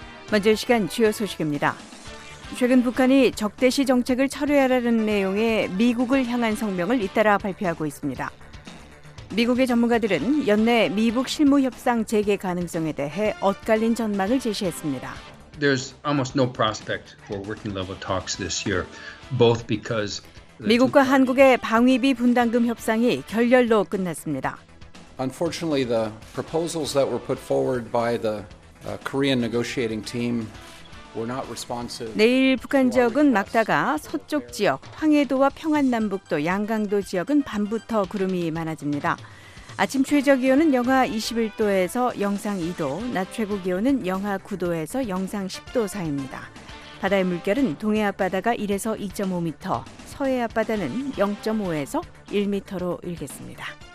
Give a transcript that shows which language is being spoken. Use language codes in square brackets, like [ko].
[ko] 먼저 시간 주요 소식입니다. 최근 북한이 적대시 정책을 철회하라는 내용의 미국을 향한 성명을 잇따라 발표하고 있습니다. 미국의 전문가들은 연내 미북 실무 협상 재개 가능성에 대해 엇갈린 전망을 제시했습니다. [en] There's almost no prospect for working level talks this year, both because [ko] 미국과 한국의 방위비 분담금 협상이 결렬로 끝났습니다. [en] Unfortunately, the proposals that were put forward by the Korean negotiating team were not responsive. [ko] 내일 북한 지역은 막다가 서쪽 지역, 황해도와 평안남북도, 양강도 지역은 밤부터 구름이 많아집니다. 아침 최저 기온은 영하 21도에서 영상 2도, 낮 최고 기온은 영하 9도에서 영상 10도 사이입니다. 바다의 물결은 동해 앞바다가 1에서 2.5m, 서해 앞바다는 0.5에서 1m로 일겠습니다.